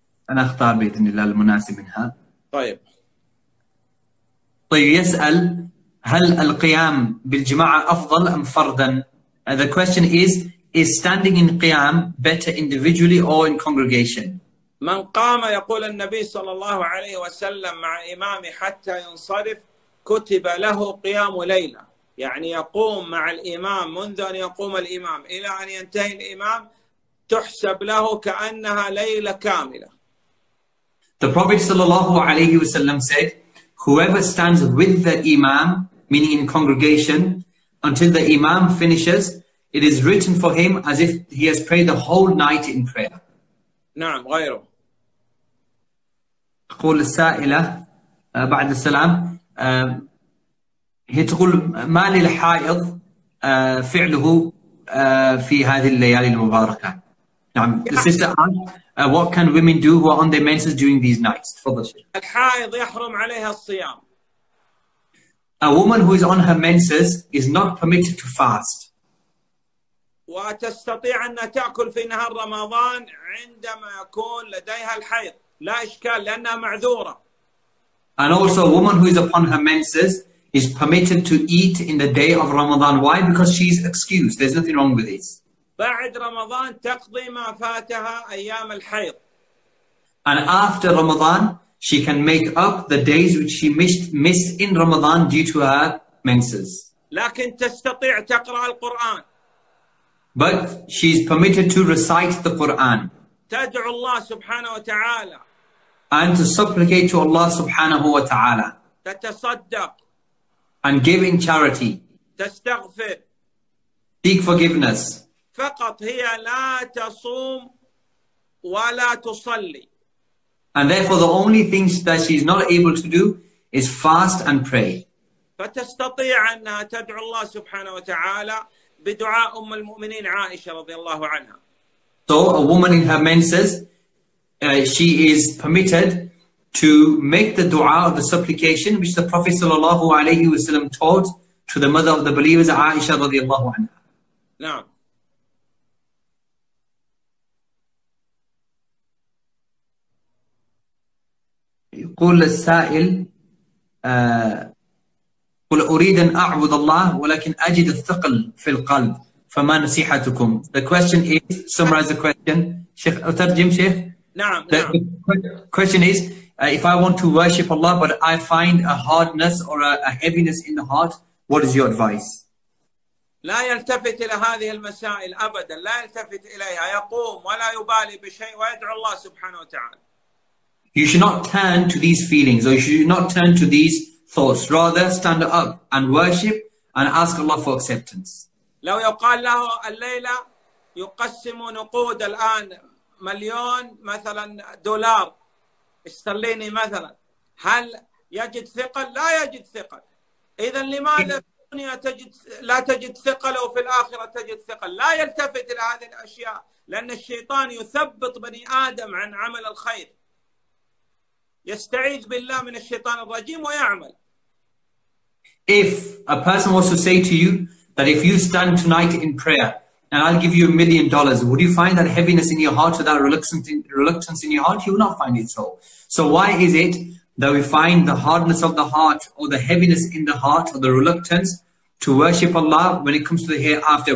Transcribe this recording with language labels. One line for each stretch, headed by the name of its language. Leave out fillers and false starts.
Arabic: أنا أختار بإذن الله المناسب منها. طيب. طيب يسأل هل القيام بالجماعة أفضل أم فردا؟
English: The question is standing in قيام better individually or in congregation?
Arabic: من قام يقول النبي صلى الله عليه وسلم مع إمامي حتى ينصرف كتب له قيام ليلة يعني يقوم مع الإمام منذ أن يقوم الإمام إلى أن ينتهي الإمام تحسب له كأنها ليلة كاملة.
English: The Prophet
Arabic: صلى الله عليه وسلم
English: said, whoever stands with the imam, meaning in congregation, until the imam finishes, it is written for him as if he has prayed the whole night in prayer.
Arabic: نعم غيره. تقول السائلة بعد السلام هي تقول ما للحائض فعله في هذه الليالي المباركة. نعم.
English: The sister asked, what can women do who are on their menses during these nights?
Arabic: تفضل شيخ. الحائض يحرم عليها الصيام.
English: A woman who is on her menses is not permitted to fast.
Arabic: وتستطيع أن تأكل في نهار رمضان عندما يكون لديها الحيض لا إشكال لأنها معذورة.
English: And also a woman who is upon her menses is permitted to eat in the day of Ramadan. Why? Because she's excused. There's nothing wrong with this.
Arabic: بعد رمضان تقضي ما فاتها أيام الحيض.
English: And after Ramadan, she can make up the days which she missed in Ramadan due to her menses.
Arabic: لكن تستطيع تقرأ القرآن.
English: But she is permitted to recite the Quran.
Arabic: تدعو الله سبحانه وتعالى.
English: and to supplicate to Allah subhanahu wa ta'ala.
Arabic: تتصدق.
English: And give in charity.
Arabic: تستغفر.
English: Seek forgiveness.
Arabic: فقط هي لا تصوم ولا تصلي.
English: And therefore the only things that she is not able to do is fast and pray.
Arabic: فتستطيع أن تدعو الله سبحانه وتعالى بدعاء أم المؤمنين عائشة رضي الله عنها.
English: So a woman in her menses, she is permitted to make the dua of the supplication which the Prophet sallallahu alayhi wa sallam taught to the mother of the believers, Aisha radiallahu anha.
Arabic: نعم. يقول السائل قل أريد أن أعبد الله ولكن أجد الثقل في القلب فما نصيحتكم.
English: The question is, summarize the question.
Arabic: شيخ أترجم شيخ. نعم.
English: The question is, if I want to worship Allah but I find a hardness or a heaviness in the heart, what is your advice?
Arabic: لا يلتفت إلى هذه المسائل أبدا. لا يلتفت إليها. يقوم ولا يبالي بشيء ويدعو الله سبحانه وتعالى.
English: You should not turn to these feelings or you should not turn to these thoughts. Rather, stand up and worship and ask Allah for acceptance.
Arabic: لو يقال له الليلة يقسم نقود الآن مليون مثلا دولار استرليني مثلا هل يجد ثقل؟ لا يجد ثقل. إذا لماذا في الدنيا لا تجد ثقل وفي الآخرة تجد ثقل؟ لا يلتفت إلى هذه الأشياء لأن الشيطان يثبط بني آدم عن عمل الخير. يستعيذ بالله من الشيطان الرجيم ويعمل.
English: If a person was to say to you that if you stand tonight in prayer and I'll give you $1 million, would you find that heaviness in your heart or that reluctance in your heart? You will not find it so. So why is it that we find the hardness of the heart or the heaviness in the heart or the reluctance to worship Allah when it comes to the hereafter?